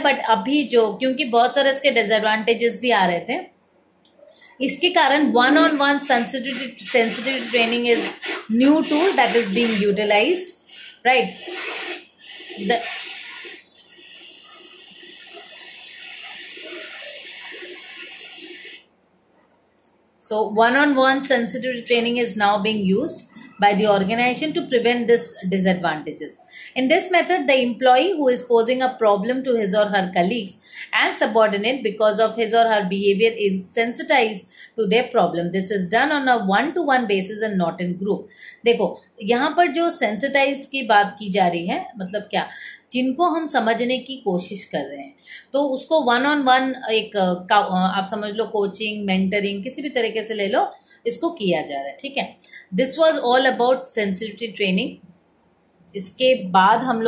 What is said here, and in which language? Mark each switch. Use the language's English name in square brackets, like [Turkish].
[English] but [Hindi] अभी जो क्योंकि बहुत सारे इसके डिसएडवांटेजेस भी आ रहे थे, इसके कारण [English] One on one sensitive training is new tool that is being utilized, right. So one on one sensitive training is now being used by the organization to prevent this disadvantages. In this method, the employee who is posing a problem to his or her colleagues and subordinate because of his or her behavior is sensitized to their problem. This is done on a one-to-one basis and not in group. [Hindi] देखो यहाँ पर जो sensitize की बात की जा रही है मतलब क्या जिनको हम समझने की कोशिश कर रहे हैं तो उसको वन ऑन वन एक आप समझ लो कोचिंग मेंटरिंग किसी भी तरीके से ले लो इसको किया जा रहा है ठीक है. [English] This was all about sensitivity training. [Hindi] इसके बाद हम लोग